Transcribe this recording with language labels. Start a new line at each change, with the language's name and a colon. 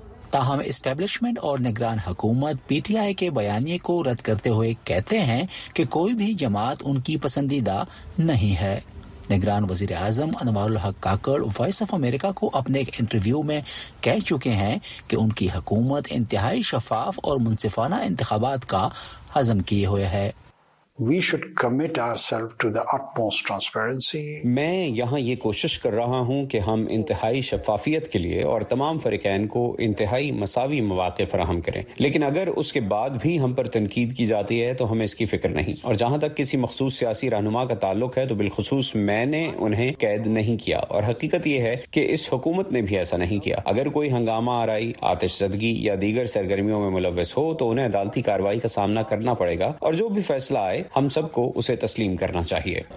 Urdu: تاہم اسٹیبلشمنٹ اور نگران حکومت پی ٹی آئی کے بیانیے کو رد کرتے ہوئے کہتے ہیں کہ کوئی بھی جماعت ان کی پسندیدہ نہیں ہے۔ نگران وزیر اعظم انوار الحق کاکڑ وائس آف امریکہ کو اپنے ایک انٹرویو میں کہہ چکے ہیں کہ ان کی حکومت انتہائی شفاف اور منصفانہ انتخابات کا ہضم کیے ہوئے ہے۔
English: We should commit ourselves to the utmost transparency.
Urdu: میں یہاں یہ کوشش کر رہا ہوں کہ ہم انتہائی شفافیت کے لیے اور تمام فریقین کو انتہائی مساوی مواقع فراہم کریں، لیکن اگر اس کے بعد بھی ہم پر تنقید کی جاتی ہے تو ہمیں اس کی فکر نہیں، اور جہاں تک کسی مخصوص سیاسی رہنما کا تعلق ہے تو بالخصوص میں نے انہیں قید نہیں کیا، اور حقیقت یہ ہے کہ اس حکومت نے بھی ایسا نہیں کیا۔ اگر کوئی ہنگامہ آرائی، آتش زدگی یا دیگر سرگرمیوں میں ملوث ہو تو انہیں عدالتی کاروائی کا سامنا کرنا پڑے گا، اور جو بھی فیصلہ آئے ہم سب کو اسے تسلیم کرنا چاہیے۔